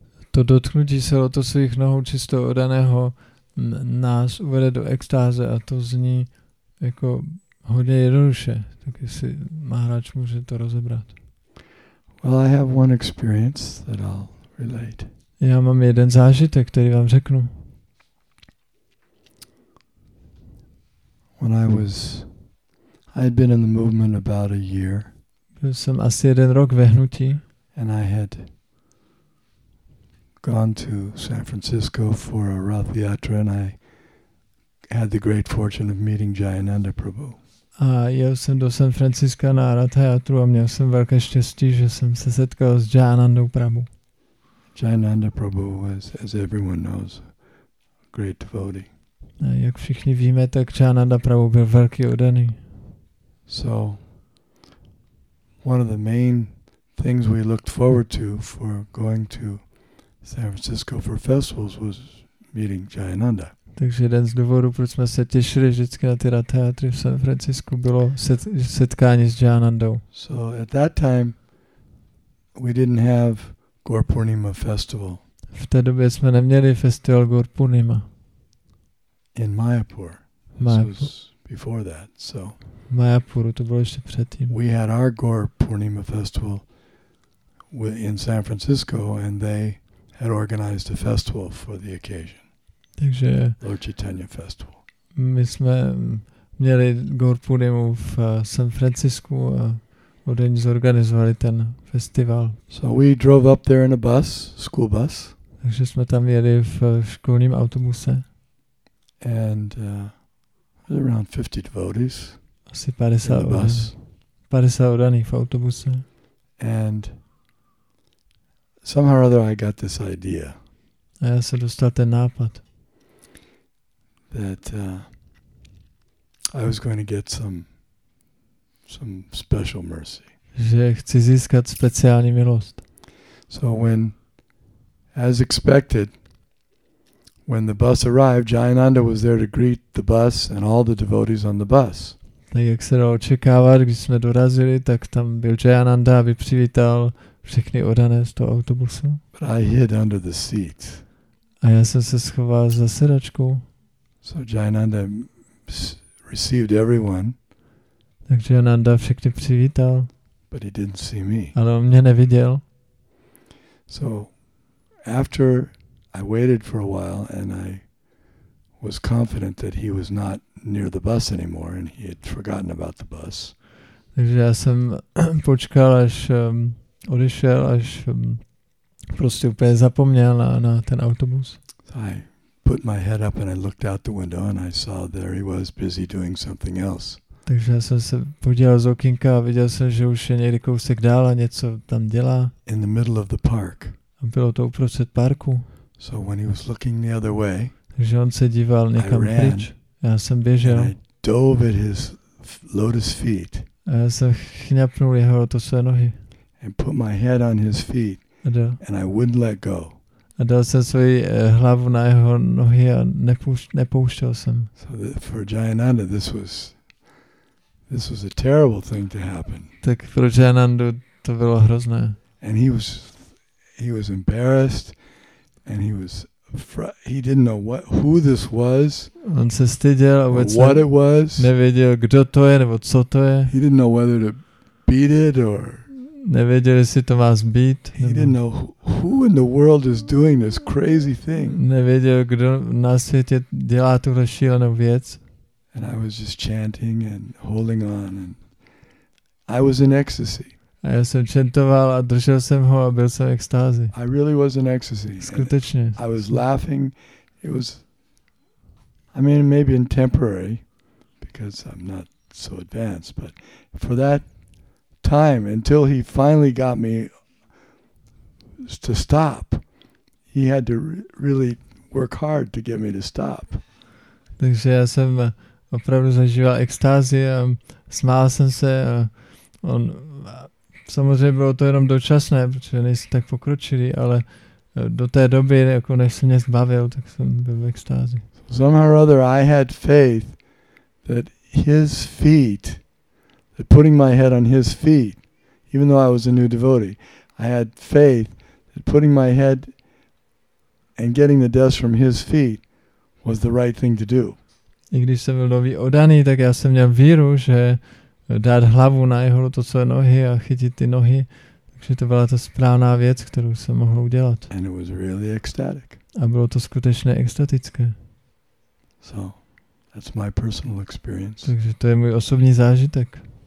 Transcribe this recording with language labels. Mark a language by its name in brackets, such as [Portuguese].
[Czech] To dotknutí se lotosových nohou čistého oddaného nás uvede do extáze a to zní jako hodně jednoduše. Tak jestli Maharaj může to rozebrat. [English] Well, I have one experience that I'll relate. [Czech] Já mám jeden zážitek, který vám řeknu. [English] When I had been in the movement about a year. [Czech] Byl jsem asi jeden rok ve hnutí. [English] And I had gone to San Francisco for a Rath Yatra and I had the great fortune of meeting Jayananda Prabhu. [Czech] A jel jsem do San Francisca na Rath Yatru a měl jsem velké štěstí, že jsem se setkal s Jayanandou Prabhu. [English] Jayananda Prabhu was, as everyone knows, a great devotee. [Czech] A jak všichni víme, tak Jayananda Prabhu byl velký oddaný. [English] So one of the main things we looked forward to for going to San Francisco for festivals was meeting Jayananda. [Czech] Takže jeden z důvodů, proč jsme se těšili vždycky na ty teatry v San Francisco, bylo setkání s Jayanandou. [English] So at that time we didn't have Gaur Purnima festival. [Czech] V té době jsme neměli festival Gaur Purnima. [English] In Mayapur. [Czech] Mayapur. [English] This was before that, so. [Czech] V Mayapuru, to bylo ještě předtím. [English] We had our Gaur Purnima festival in San Francisco and they had organized a festival for the occasion. [Czech] Takže [English] Lord Chaitanya festival. [Czech] My jsme měli Gaur Purnimu v San Francisku a oni zorganizovali ten festival. [English] So we drove up there in a bus, school bus. [Czech] Takže jsme tam jeli v školním autobuse. [English] And around 50 devotees. [Czech] Asi 50 bus. 50 oddaných v autobuse. [English] And somehow or other I got this idea. [Czech] A já se dostal ten nápad. [English] That I was going to get some special mercy. [Czech] Že chci získat speciální milost. [English] So when, as expected, when the bus arrived, Jayananda was there to greet the bus and all the devotees on the bus. [Czech] Tak jak se dalo očekávat, když jsme dorazili, tak tam byl Jayananda, aby přivítal všechny odané z toho autobusu. [English] But I hid under the seat. [Czech] A já jsem se schoval za sedačkou. [English] So Jayananda received everyone. [Czech] Tak Jayananda všechny přivítal. [English] But he didn't see me. [Czech] Ale on mě neviděl. [English] So after I waited for a while and I was confident that he was not near the bus anymore and he had forgotten about the bus. [Czech] Takže já jsem počkal, až odešel, až prostě úplně zapomněl na ten autobus. [English] I put my head up and I looked out the window and I saw there he was busy doing something else. [Czech] Takže já jsem se podíval z okýnka a viděl jsem, že už je někde kousek dál a něco tam dělá. [English] In the middle of the park. [Czech] A bylo to uprostřed parku. [English] So when he was looking the other way, [Czech] že on se díval někam pryč. Já jsem běžel. [English] And I dove at his lotus feet. [Czech] A já jsem chňapnul jeho lotosové nohy. [English] And put my head on his feet. And I wouldn't let go. [Czech] A dal jsem svoji hlavu na jeho nohy a nepouštěl jsem. [English] So for Jayananda this was a terrible thing to happen. [Czech] Tak pro Jayanandu to bylo hrozné. [English] And he was embarrassed and he didn't know who this was. [Czech] On se styděl a vůbec [English] what it was. [Czech] Nevěděl, kdo to je nebo co to je. [English] He didn't know whether to beat it or [Czech] nevěděl, jestli to má zbýt. [English] He didn't know who in the world is doing this crazy thing. [Czech] Nevěděl, kdo na světě dělá tuhle šílenou věc. [English] And I was just chanting and holding on and I was in ecstasy. [Czech] A já jsem chantoval a držel jsem ho a byl jsem v extázi. [English] I really was in ecstasy. [Czech] Skutečně. [English] I was laughing. Maybe in temporary because I'm not so advanced, but for that time until he finally got me to stop. He had to really work hard to get me to stop. [Czech] Takže já jsem opravdu zažíval extázi a smál jsem se a on samozřejmě bylo to jenom dočasné, protože nejsi tak pokročilý, ale do té doby, jako než se mě zbavil, tak jsem byl v extázi. [English] Somehow or other I had faith that his feet, that putting my head on his feet, even though I was a new devotee, I had faith that putting my head and getting the dust from his feet was the right thing to do. [Czech] I když jsem byl nový oddaný, tak já jsem měl víru, že dát hlavu na jeho lotosové nohy a chytit ty nohy, takže to byla ta správná věc, kterou jsem mohl udělat. [English] And it was really ecstatic. [Czech] A bylo to skutečně extatické. [English] So, that's my personal experience. [Czech] Takže to je můj osobní zážitek.